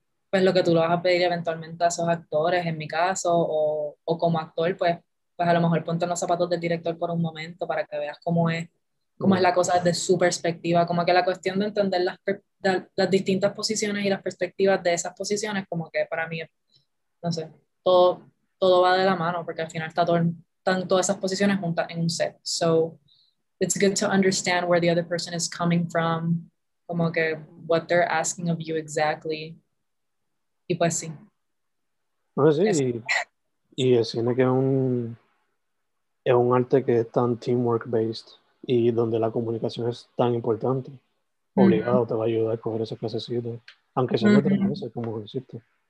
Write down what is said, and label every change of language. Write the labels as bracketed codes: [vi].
[es] pues lo que tú le vas a pedir eventualmente a esos actores, en mi caso, o como actor, pues a lo mejor ponte en los zapatos del director por un momento para que veas cómo es la cosa desde su perspectiva, como que la cuestión de entender las distintas posiciones y las perspectivas de esas posiciones, como que para mí, no sé, todo va de la mano, porque al final están todas esas posiciones juntas en un set. [en] So, it's good to understand where the other person is coming from, [es] como que [en] what they're asking of you exactly. [es] Y pues sí. No sé, sí, y el cine que es un arte que es tan [en] teamwork based [es] y donde la comunicación es tan importante, obligado te va a ayudar a coger esas clasecitas, aunque sean de 3 meses, como hiciste.